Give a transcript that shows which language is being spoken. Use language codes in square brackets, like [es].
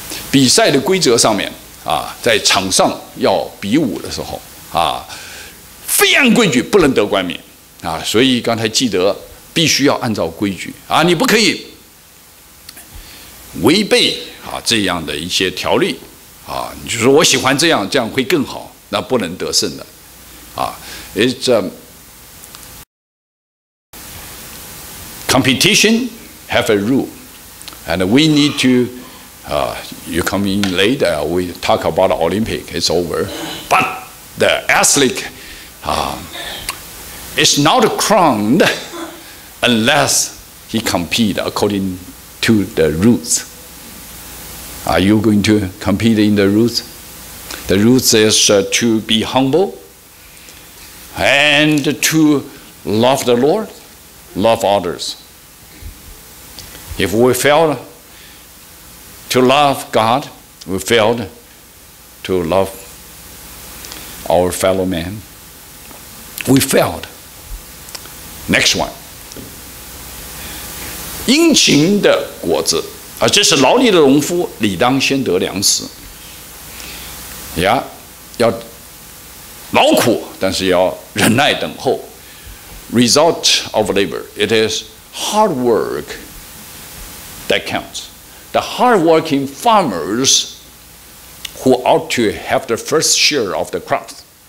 [zh] 比赛的规则上面啊，在场上要比武的时候啊，非按规矩不能得冠冕啊，所以刚才记得必须要按照规矩啊，你不可以违背啊这样的一些条例啊，你就说我喜欢这样，这样会更好，那不能得胜的啊。 [en] Competition have a rule, and we need to. You come in later. We talk about Olympic. It's over, but the athlete, is not crowned unless he compete according to the rules. Are you going to compete in the rules? The rules is to be humble and to love the Lord, love others. If we fail to love God, we failed to love our fellow man. We failed. Next one. [zh] 殷勤的果子啊，这是劳力的农夫理当先得粮食。要劳苦，但是要忍耐等候。 [en] Result of labor, it is hard work that counts. The hardworking farmers who ought to have the first share of the crops.